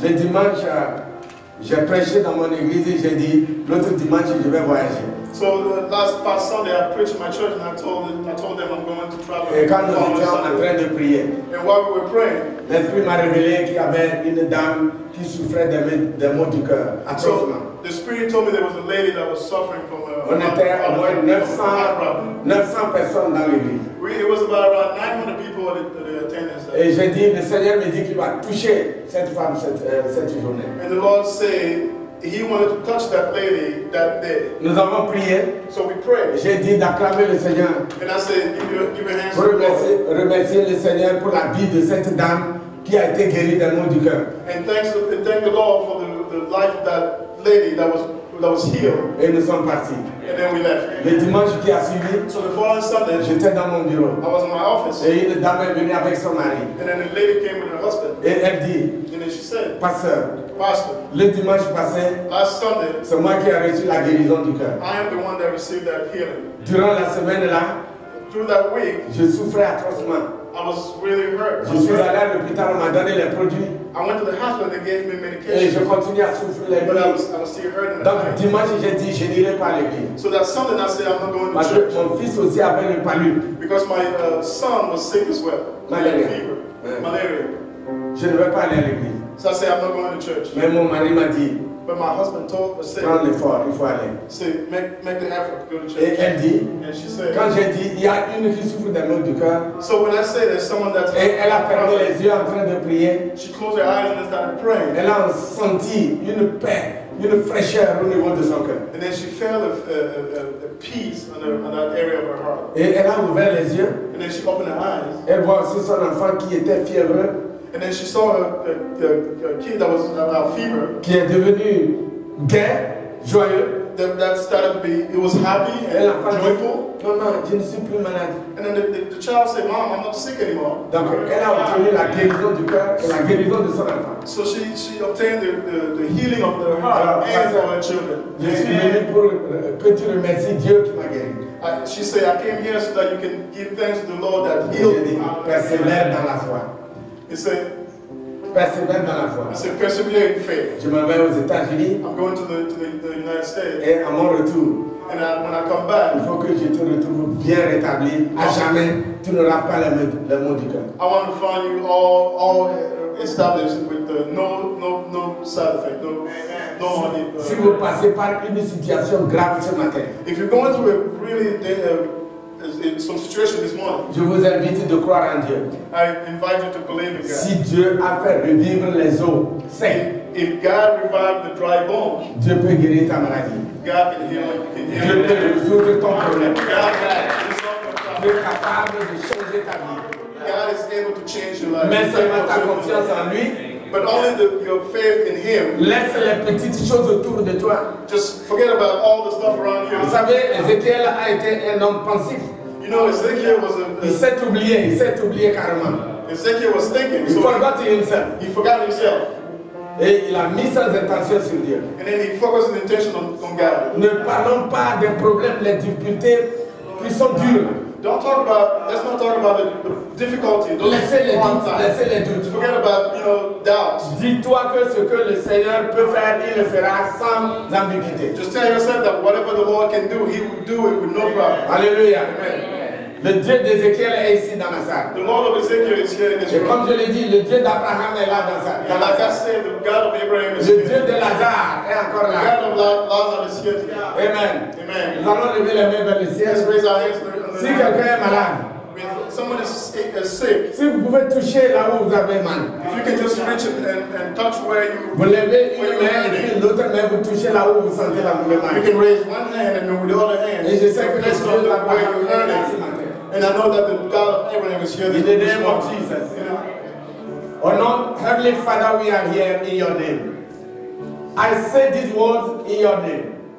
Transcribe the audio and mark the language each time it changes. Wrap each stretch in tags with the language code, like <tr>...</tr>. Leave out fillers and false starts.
<fr>Le dimanche, j'ai prêché dans mon église et j'ai dit, l'autre dimanche, je vais voyager.</fr> <en>So the last past Sunday, I preached my church and I told them I'm going to travel.</en> <fr>Et quand nous étions en train de prier,</fr> <en>and while we were praying,</en> <fr>l'esprit m'a révélé qu'il y avait une dame qui souffrait des maux du cœur.</fr> <en>So the spirit told me there was a lady that was suffering from a heart problem.</en> <fr>On était au moins 900 personnes dans l'église.</fr> <en>It was about 900 people in the attendance.</en> <fr>Et j'ai dit, le Seigneur me dit qu'il va toucher cette femme cette journée.</fr> <en>And the Lord said. He wanted to touch that lady that day.</en> <fr>Nous avons prié.</fr> <en>So we prayed.</en> <fr>J'ai dit d'acclamer le Seigneur.</fr> <en>And I said, give an answer.</en> <fr>Remercier le Seigneur pour la vie de cette dame qui a été guérie d'un mot du cœur.</fr> <en>And thank the Lord for the life of that lady that was healed.</en> <fr>Et nous sommes partis.</fr> <en>And then we left.</en> <fr>Le dimanche qui a suivi.</fr> <en>So the following Sunday,</en> <fr>j'étais dans mon bureau.</fr> <en>I was in my office.</en> <fr>Et une dame est venue avec son mari.</fr> <en>And then the lady came with her husband.</en> <fr>Et elle dit.</fr> <en>And then she said.</en> <fr>Pasteur.</fr> <en>Pastor,</en> <fr>le dimanche passé,</fr> <en>last Sunday,</en> <fr>c'est moi qui ai reçu la guérison du cœur.</fr> <en>I am the one that received that healing.</en> <fr>Durant la semaine là,</fr> <en>through that week,</en> <fr>je souffrais atrocement.</fr> <en>I was was really hurt.</en> <fr>Je suis allé à l'hôpital, on m'a donné les produits.</fr> <en>I went to the hospital, they gave me medication.</en> <fr>Et je continue à souffrir les nuits.</fr> <en>But I was still hurting.</en> <fr>Donc dimanche, j'ai dit, je n'irai pas à l'église.</fr> <en>So that Sunday, I said, I'm not going to church.</en> <fr>Mon fils aussi avait une palud.</fr> <en>Because my son was sick as well. Malaria. Fever. Mm-hmm. Malaria.</en> <fr>Je ne vais pas aller à l'église.</fr> <en>So I said, I'm not going to church.</en> <fr>Mais mon mari m'a dit.</fr> <en>But my husband told us,</en> <fr>prends l'effort, il faut aller.</fr> <en>Say, make the effort to go to church.</en> <fr>Et elle dit,</fr> <en>and she said,</en> <fr>quand j'ai dit, il y a une qui souffre d'un mal de cœur.</fr> <en>So when I say there's someone that,</en> <fr>elle a fermé les yeux en train de prier.</fr> <en>She closed her eyes and started praying.</en> <fr>Elle a senti une paix, une fraîcheur au niveau de son cœur.</fr> <en>And then she felt a peace on that area of her heart.</en> <fr>Et elle a ouvert les yeux.</fr> <en>And then she opened her eyes.</en> <fr>Elle voit aussi son enfant qui était fiévreux.</fr> <en>And then she saw her kid that was about fever.</en> <fr>Qui est devenu gay, joyeux.</fr> <en>That started to be, it was happy and joyful.</en> <fr>Dit, non, je ne suis plus malade.</fr> <en>And then the child said, Mom, I'm not sick anymore.</en> <fr>Donc, elle a obtenu la guérison du cœur et la guérison de son enfant.</fr> <en>So she obtained the healing of the heart.</en> <fr>Alors,</fr> <en>and for her children.</en> <fr>Je suis venu pour que tu remercies Dieu qui m'a guéri.</fr> <en>She said, I came here so that you can give thanks to the Lord that healed me.</en> <fr>Persévère dans la foi. Persévère dans la foi.</fr> <en>He said, persevere in faith.</en> <fr>Je m'en vais aux États-Unis.</fr> <en>I'm going to the United States.</en> <fr>Et à mon retour.</fr> <en>And when I come back,</en> <fr>il faut que je te retrouve bien rétabli. À jamais, tu n'auras pas le mot du cœur.</fr> <en>I want to find you all established with the no side effect, no.</en> <fr>Si vous passez par une situation grave ce matin.</fr> <en>If you're going through a really some situation this morning.</en> <fr>Je vous invite de croire en Dieu.</fr> <en>I invite you to believe in God.</en> <fr>Si Dieu a fait revivre les eaux, c'est.</fr> <en>If God revived the dry bones,</en> <fr>Dieu peut guérir ta maladie.</fr> <en>God can heal you.</en> <fr>Dieu peut résoudre ton problème.</fr> <en>God</en> <fr>est capable de changer ta vie.</fr> <en>God is able to change your life.</en> <fr>Mais seulement ta confiance en lui.</fr> <en>But only your faith in Him.</en> <fr>Laisse les petites choses autour de toi.</fr> <en>Just forget about all the stuff around you.</en> <fr>Vous savez, Ezekiel a été un homme pensif.</fr> <en>You know, Ezekiel was a.</en> <fr>Il s'est oublié carrément.</fr> <en>Ezekiel was thinking. He forgot himself. He forgot himself.</en> <fr>Et il a mis ses intentions sur Dieu.</fr> <en>And then he focused his intention on God.</en> <fr>Ne parlons pas des problèmes, les difficultés qui sont dures.</fr> <en>Don't talk about. Let's not talk about the difficulty.</en> <fr>Laissez les doutes.</fr> <en>Forget about, you know, doubts.</en> <fr>Dis-toi que ce que le Seigneur peut faire, il le fera sans ambiguïté.</fr> <en>Just tell yourself that whatever the Lord can do, He will do it with no problem.</en> <fr>Alléluia.</fr> <en>Amen.</en> <fr>Le Dieu d'Ézéchiel est ici dans la salle.</fr> <en>The Lord of Ezekiel is here in this room.</en> <fr>Et comme je l'ai dit, le Dieu d'Abraham est là dans la salle.</fr> <en>Like I said, the God of Abraham is</en> <fr>le Le Dieu de Lazare est encore là.</fr> <en>The God of Lazare is here. Yeah. Amen. Amen.</en> <fr>Nous allons lever les mains vers le ciel.</fr> <en>Let's raise our hands.</en> <fr>Si quelqu'un est malade,</fr> <en>someone is sick.</en> <fr>Si vous pouvez toucher là où vous avez mal,</fr> <en>if you can just reach and touch where you,</en> <fr>vous levez une main et puis l'autre main, vous touchez là où vous sentez la mal.</fr> <en>You can raise one hand and with the other hand.</en> <fr>Et je sais que Dieu l'a pas</fr> <en>where you heard it. And I know that the God of Abraham is here. In the name of Jesus. You know? Oh, Heavenly Father, we are here in your name. I say these words in your name.</en>